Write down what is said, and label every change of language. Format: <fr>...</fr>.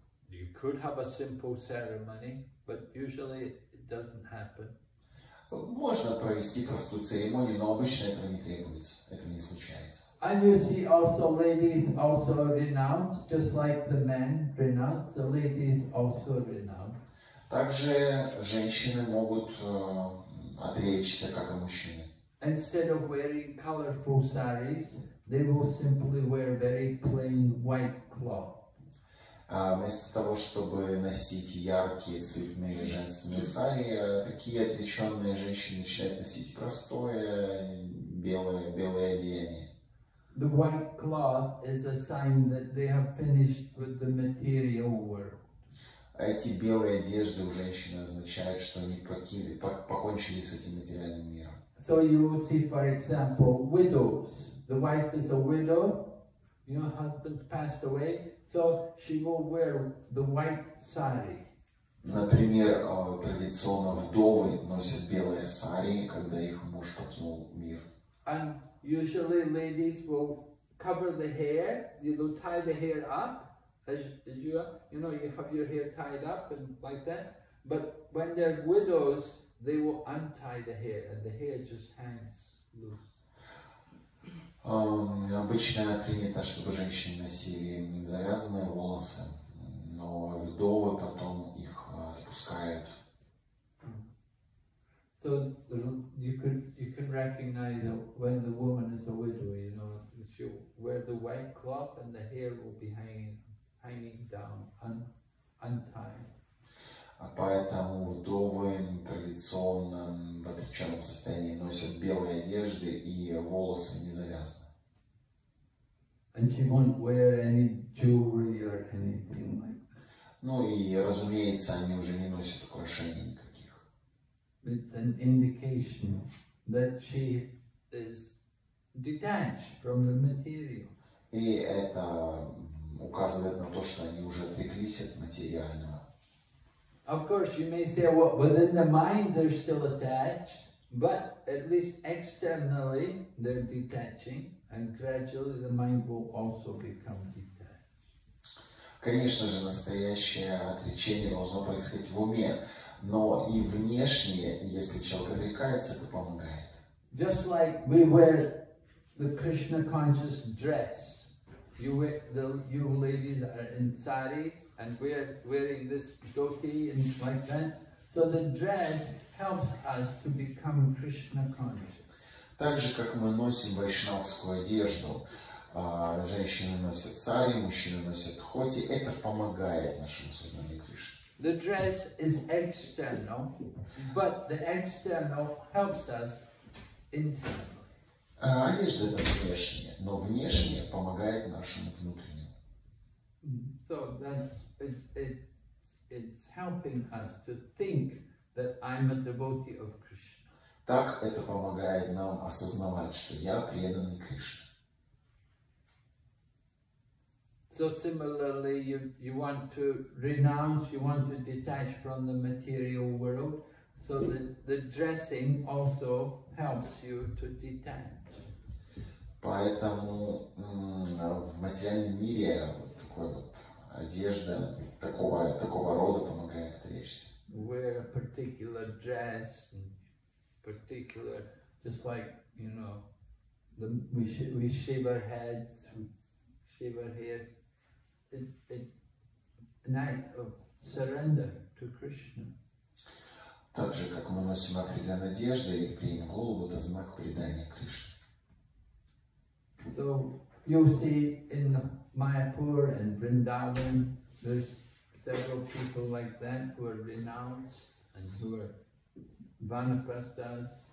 <en>You could have a simple ceremony, but usually it doesn't happen.</en> <ru>Можно провести простую церемонию, но обычно этого не требуется, этого не случается.</ru> <en>And you see also ladies also renounce, just like the men renounce, the ladies also renounce.</en> <ru>Также женщины могут отречься, как и мужчины.</ru> <en>Instead of wearing colorful saris, they will simply wear very plain white cloth.</en> <ru>Вместо того, чтобы носить яркие цветные женственные сари, такие отреченные женщины начинают носить простое белое одеяние.</ru> <en>The white cloth is a sign that they have finished with the material world.</en> <ru>Эти белые одежды у женщины означают, что они покончили с этим материальным миром.</ru> <en>So you will see, for example, widows. The wife is a widow, your husband passed away, so she will wear the white sari.</en> <ru>Например, традиционно вдовы носят белые сари, когда их муж покинул мир.</ru> <en>And usually ladies will cover the hair, they will tie the hair up. As you know, you have your hair tied up and like that. But when they're widows, they will untie the hair, and the hair just hangs loose.</en> <ru>Обычно принято, чтобы женщины носили завязанные волосы, но вдовы потом их отпускают.</ru> <en>So you can recognize that when the woman is a widow, you know, she'll wear the white cloth, and the hair will be hanging down, untied.</en> <ru>А поэтому вдовы традиционно в отреченном состоянии носят белые одежды и волосы не завязаны.</ru> <en>And she won't wear any jewelry or anything like that.</en> <ru>Ну и разумеется, они уже не носят украшений никаких.</ru> <en>It's an indication that she is detached from the material.</en> <ru>И это указывает на то, что они уже отреклись от материального.</ru> <en>Of course, you may say, well, within the mind they're still attached, but at least externally they're detaching, and gradually the mind will also become detached.</en> <ru>Конечно же, настоящее отречение должно происходить в уме, но и внешнее, если человек отрекается, это помогает.</ru> <en>Just like we wear the Krishna conscious dress. You ladies are in sari, and we are wearing this dhoti and like that. So the dress helps us to become Krishna conscious.</en> <ru>Так же, как мы носим вайшнавскую одежду, женщины носят сари, мужчины носят дхоти, это помогает нашему сознанию Кришны.</ru> <en>The dress is external, but the external helps us internally.</en> <ru>Одежда — это внешнее, но внешнее помогает нашему внутреннему.</ru> <en>So it's helping us to think that I'm a devotee of Krishna.</en> <ru>Так это помогает нам осознавать, что я преданный Кришне.</ru> <en>So similarly, you want to renounce, you want to detach from the material world, so that the dressing also helps you to detach.</en> <ru>Поэтому в материальном мире такой вот одежда такого рода помогает отречься.</ru> <en>Wear a particular dress, particular, just like, you know, we shave our heads, we shave our hair. An act of surrender to Krishna.</en> <ru>Так же, как мы носим определенную одежду или клеим голову, это знак предания Кришне.</ru> <en>So you'll see in Mayapur and Vrindavan, there's several people like that who are renounced and who are vanaprastas.</en>